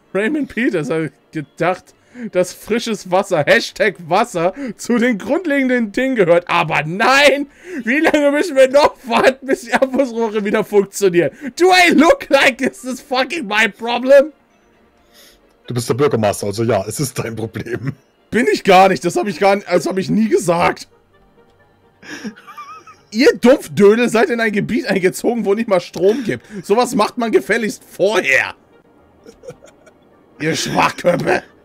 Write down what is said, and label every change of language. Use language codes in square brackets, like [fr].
[de] Raymond Peters hat gedacht, dass frisches Wasser, Hashtag Wasser, zu den grundlegenden Dingen gehört. Aber nein! Wie lange müssen wir noch warten, bis die Abflussrohre wieder funktionieren? [en] Do I look like this is fucking my problem? [de] Du bist der Bürgermeister, also ja, es ist dein Problem. Bin ich gar nicht, das habe ich gar nicht, das habe ich nie gesagt. Ihr Dumpfdödel seid in ein Gebiet eingezogen, wo nicht mal Strom gibt. Sowas macht man gefälligst vorher. Ihr Schwachköpfe.